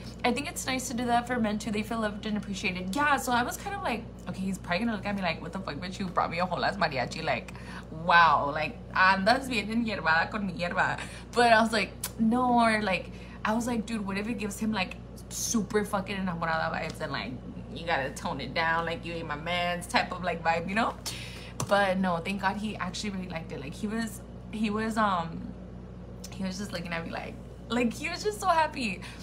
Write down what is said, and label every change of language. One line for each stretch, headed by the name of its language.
English: I think it's nice to do that for men too. They feel loved and appreciated. Yeah, so I was kind of like, okay, he's probably gonna look at me like, what the fuck, bitch, you brought me a whole ass mariachi? Like, wow, like,
Spanish: andas bien en hierba con mi hierba.
English: But I was like, no, or like, I was like, dude, what if it gives him like super fucking enamorada vibes and like, you gotta tone it down, like, you ain't my man's type of like vibe, you know? But no, thank God he actually really liked it. Like, he was just looking at me like, he was just so happy.